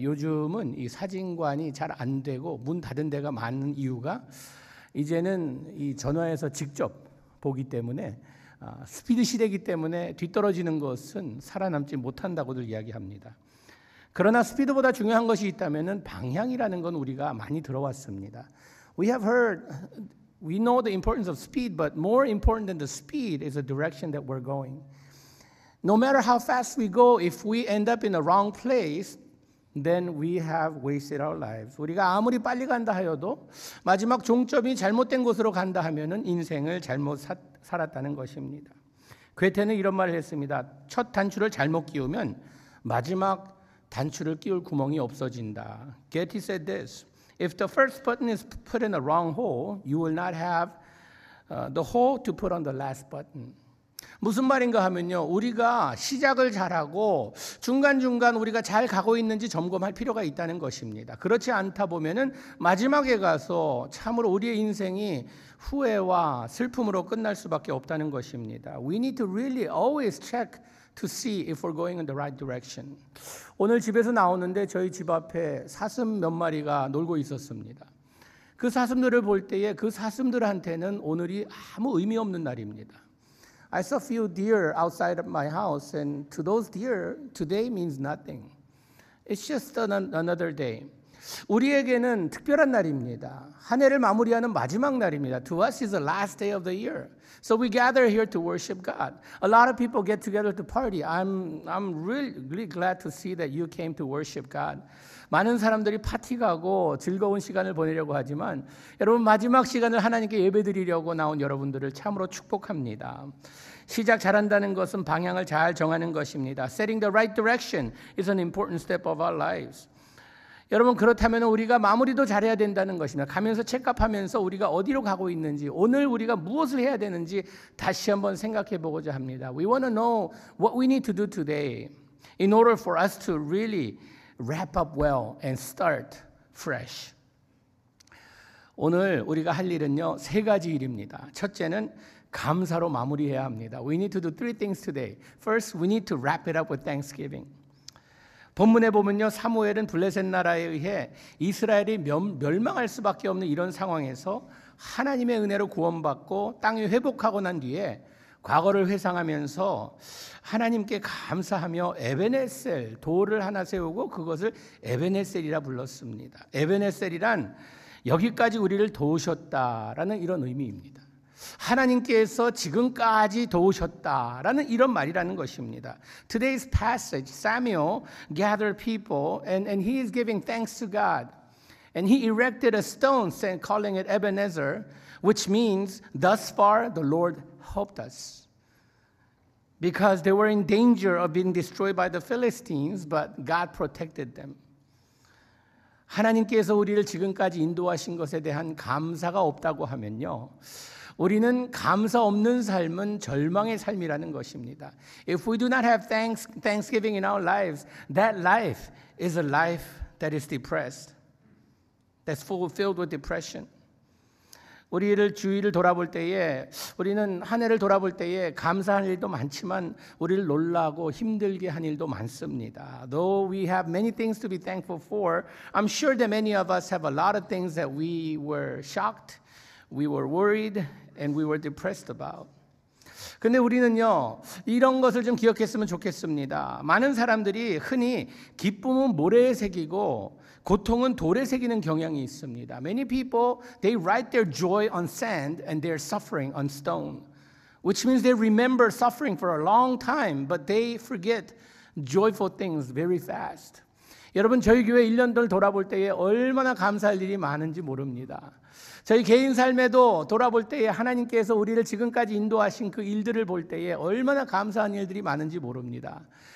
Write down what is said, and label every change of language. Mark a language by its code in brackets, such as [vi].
[ko] 요즘은 이 사진관이 잘 안 되고 문 닫은 데가 많은 이유가 이제는 이 전화에서 직접 보기 때문에 스피드 시대이기 때문에 뒤떨어지는 것은 살아남지 못한다고들 이야기합니다. 그러나 스피드보다 중요한 것이 있다면은 방향이라는 건 우리가 많이 들어왔습니다. [en] We have heard, we know the importance of speed, but more important than the speed is the direction that we're going. No matter how fast we go, if we end up in the wrong place, then we have wasted our lives. [ko] 우리가 아무리 빨리 간다 하여도 마지막 종점이 잘못된 곳으로 간다 하면은 인생을 잘못 살았다는 것입니다. 괴테는 이런 말을 했습니다. 첫 단추를 잘못 끼우면 마지막 단추를 끼울 구멍이 없어진다. [en] Getty said this, if the first button is put in the wrong hole, you will not have the hole to put on the last button. [ko] 무슨 말인가 하면요. 우리가 시작을 잘하고 중간중간 우리가 잘 가고 있는지 점검할 필요가 있다는 것입니다. 그렇지 않다 보면은 마지막에 가서 참으로 우리의 인생이 후회와 슬픔으로 끝날 수밖에 없다는 것입니다. [en] We need to really always check to see if we're going in the right direction. [ko] 오늘 집에서 나오는데 저희 집 앞에 사슴 몇 마리가 놀고 있었습니다. 그 사슴들을 볼 때에 그 사슴들한테는 오늘이 아무 의미 없는 날입니다. [en] I saw a few deer outside of my house and to those deer, today means nothing. It's just another day. [ko] 우리에게는 특별한 날입니다. 한 해를 마무리하는 마지막 날입니다. [en] To us is the last day of the year. So we gather here to worship God. A lot of people get together to party. I'm really, really glad to see that you came to worship God. [ko] 많은 사람들이 파티 가고 즐거운 시간을 보내려고 하지만 여러분 마지막 시간을 하나님께 예배드리려고 나온 여러분들을 참으로 축복합니다. 시작 잘한다는 것은 방향을 잘 정하는 것입니다. [en] Setting the right direction is an important step of our lives. [ko] 여러분 그렇다면 우리가 마무리도 잘해야 된다는 것입니다. 가면서 체크업하면서 우리가 어디로 가고 있는지 오늘 우리가 무엇을 해야 되는지 다시 한번 생각해 보고자 합니다. [en] We want to know what we need to do today in order for us to really wrap up well and start fresh. [ko] 오늘 우리가 할 일은요 세 가지 일입니다. 첫째는 감사로 마무리해야 합니다. [en] We need to do three things today. First, we need to wrap it up with thanksgiving. [ko] 본문에 보면요, 사무엘은 블레셋 나라에 의해 이스라엘이 멸망할 수밖에 없는 이런 상황에서 하나님의 은혜로 구원받고 땅이 회복하고 난 뒤에 과거를 회상하면서 하나님께 감사하며 에벤에셀, 돌을 하나 세우고 그것을 에벤에셀이라 불렀습니다. 에벤에셀이란 여기까지 우리를 도우셨다라는 이런 의미입니다. 하나님께서 지금까지 도우셨다라는 이런 말이라는 것입니다. [en] Today's passage, Samuel gathered people and he is giving thanks to God. And he erected a stone, calling it Ebenezer, which means, thus far the Lord helped us. Because they were in danger of being destroyed by the Philistines, but God protected them. [ko] 하나님께서 우리를 지금까지 인도하신 것에 대한 감사가 없다고 하면요. 우리는 감사 없는 삶은 절망의 삶이라는 것입니다. [en] If we do not have thanksgiving in our lives, that life is a life that is depressed, that's filled with depression. [ko] 우리를 주위를 돌아볼 때에 우리는 한 해를 돌아볼 때에 감사한 일도 많지만 우리를 놀라고 힘들게 한 일도 많습니다. [en] Though we have many things to be thankful for, I'm sure that many of us have a lot of things that we were shocked, we were worried, and we were depressed about. [ko] 근데 우리는요, 이런 것을 좀 기억했으면 좋겠습니다. 많은 사람들이 흔히 기쁨은 모래에 새기고 고통은 돌에 새기는 경향이 있습니다. [en] Many people, they write their joy on sand and their suffering on stone. Which means they remember suffering for a long time, but they forget joyful things very fast. [ko] 여러분, 저희 교회 1년들 돌아볼 때에 얼마나 감사할 일이 많은지 모릅니다. 저희 개인 삶에도 돌아볼 때에 하나님께서 우리를 지금까지 인도하신 그 일들을 볼 때에 얼마나 감사한 일들이 많은지 모릅니다.